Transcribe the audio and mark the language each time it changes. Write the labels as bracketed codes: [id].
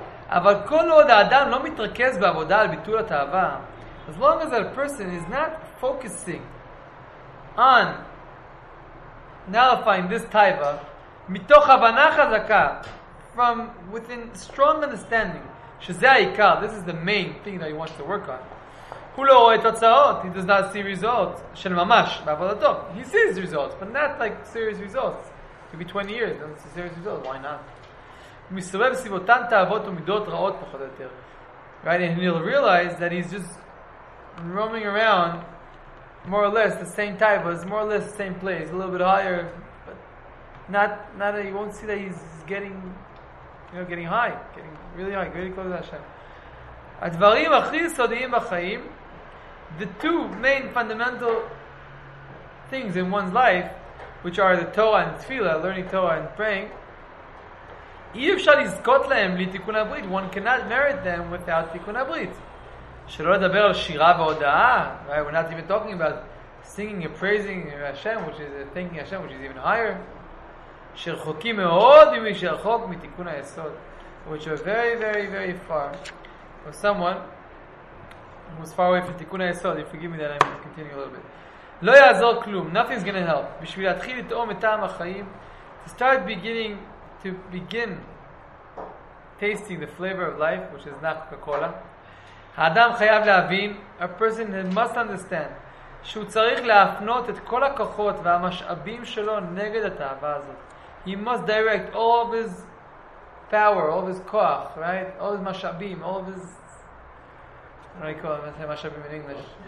[he] אבל כל עוד האדם לא מתרכז בעבודה על ביטול התאווה, [en] as long as that person is not focusing on nullifying this taiva, [he] מתוך הבנה חזקה, [en] from within strong understanding, [he] שזה העיקר, [en] this is the main thing that he wants to work on, [he] הוא לא רואה תוצאות, [en] he does not see results, [he] של ממש, בעבודתו. [en] He sees results, but not like serious results. Maybe 20 years, then it's a serious result, why not? [he] הוא מסובב סביבותן תאוות ומידות רעות פחות או יותר. [en] Right, and he'll realize that he's just roaming around, more or less, the same type, but it's more or less the same place, a little bit higher, but not that he won't see that he's getting, you know, getting high, getting really high, really close to Hashem. [he] הדברים הכי סודיים בחיים, [en] the two main fundamental things in one's life, which are the Torah and Tefillah, learning Torah and praying, [he] אי אפשר לזכות להם בלי תיקון הברית. [en] One cannot merit them without תיקון הברית. [he] שלא לדבר על שירה והודעה, right? [en] We're not even talking about singing and praising Hashem, which is thanking Hashem, which is even higher. [he] שרחוקים מאוד ממי שרחוק מתיקון היסוד, [en] which are very, very, very far. Or someone who's far away from תיקון היסוד, if you give me that, I'm just continuing a little bit. [he] לא יעזור כלום, [en] nothing's gonna help. [he] בשביל להתחיל לטעום את טעם החיים, [en] to start beginning, to begin tasting the flavor of life, which is not Coca-Cola. [he] האדם חייב להבין, [en] a person must understand, [he] שהוא צריך להפנות את כל הכוחות והמשאבים שלו נגד התאווה הזאת. [en] He must direct all of his power, all of his koach, right? All of his משאבים, all of his... What do you call it? משאבים in English.